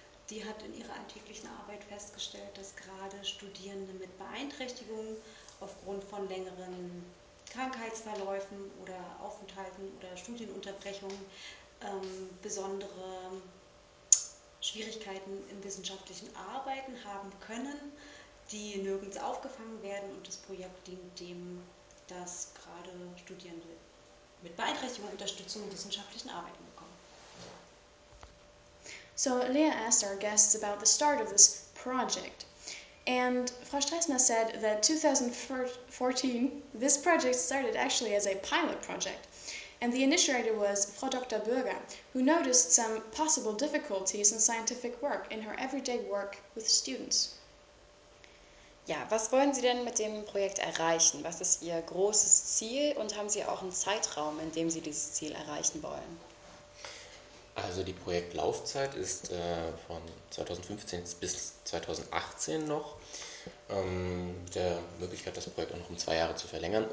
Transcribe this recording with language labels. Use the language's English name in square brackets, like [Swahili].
[German] Die hat in ihrer alltäglichen Arbeit festgestellt, dass gerade Studierende mit Beeinträchtigungen aufgrund von längeren Krankheitsverläufen oder Aufenthalten oder Studienunterbrechungen besondere Schwierigkeiten im wissenschaftlichen Arbeiten haben können, die nirgends aufgefangen werden, und das Projekt dient dem, dass gerade Studierende mit Beeinträchtigung Unterstützung im wissenschaftlichen Arbeiten bekommen. [English] So, Leah asked our guests about the start of this project. And Frau Sträßner said that 2014, this project started actually as a pilot project. And the initiator was Frau Dr. Bürger, who noticed some possible difficulties in scientific work, in her everyday work with students. [German] Ja, was wollen Sie denn mit dem Projekt erreichen? Was ist Ihr großes Ziel und haben Sie auch einen Zeitraum, in dem Sie dieses Ziel erreichen wollen? Also die Projektlaufzeit ist von 2015 bis 2018 noch, mit der Möglichkeit, das Projekt auch noch um 2 Jahre zu verlängern.